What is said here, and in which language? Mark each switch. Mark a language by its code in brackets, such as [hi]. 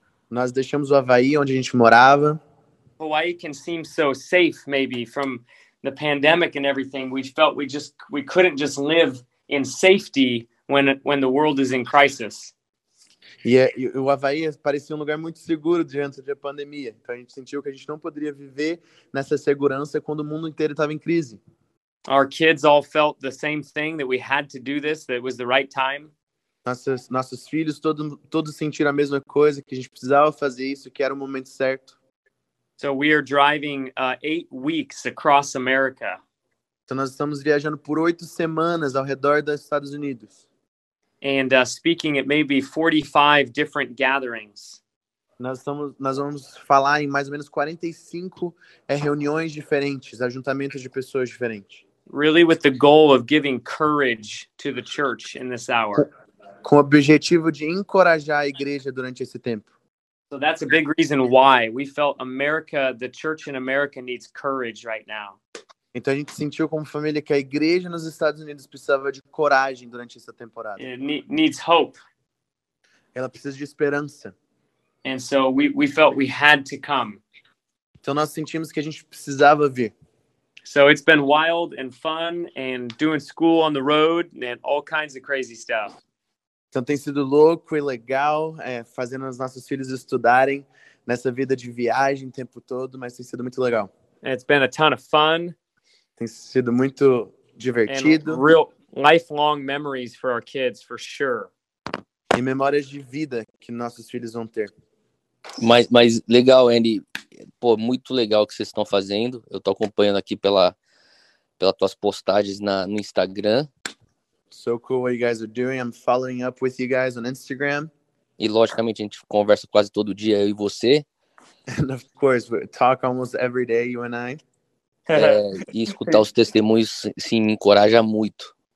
[pt] Nós deixamos o Havaí onde a gente morava. [en] Hawaii can seem so safe maybe from the pandemic and everything. We felt we couldn't just live in safety when the world is in crisis. [pt] E o Havaí parecia um lugar muito seguro diante da pandemia. Então a gente sentiu que a gente não poderia viver nessa segurança quando o mundo inteiro estava em crise. [en] Our kids all felt the same thing, that we had to do this, that it was the right time. [pt] Nossos filhos todos sentiram a mesma coisa, que a gente precisava fazer isso, que era o momento certo. [en] So we are driving 8 weeks across America. [pt] Então nós estamos viajando por 8 semanas ao redor dos Estados Unidos. [en] And speaking at maybe 45 different gatherings. [pt] Nós vamos falar em mais ou menos 45 reuniões diferentes, ajuntamentos de pessoas diferentes. [en] Really with the goal of giving courage to the church in this hour. [pt] Com o objetivo de encorajar a igreja durante esse tempo. [en] So that's a big reason why we felt America, the church in America needs courage right now. [pt] Então a gente sentiu como família que a igreja nos Estados Unidos precisava de coragem durante essa temporada. [en] Needs hope. [pt] Ela precisa de esperança. [en] And so we felt we had to come. [pt] Então nós sentimos que a gente precisava vir. [en] So it's been wild and fun and doing school on the road and all kinds of crazy stuff. [pt] Então tem sido louco e legal fazendo os nossos filhos estudarem nessa vida de viagem o tempo todo, mas tem sido muito legal. [en] And it's been a ton of fun. [pt] Tem sido muito divertido. [en] And real lifelong memories for our kids, for sure. [pt] E memórias de vida que nossos filhos vão ter. Mas legal, Andy. Pô, muito legal o que vocês estão fazendo. Eu tô acompanhando aqui pelas tuas postagens no Instagram. [en] So cool what you guys are doing. I'm following up with you guys on Instagram. [pt] E logicamente a gente conversa quase todo dia, eu e você. [en] And of course, we talk almost every day, you and I. [pt] E escutar os testemunhos, sim, me encoraja muito.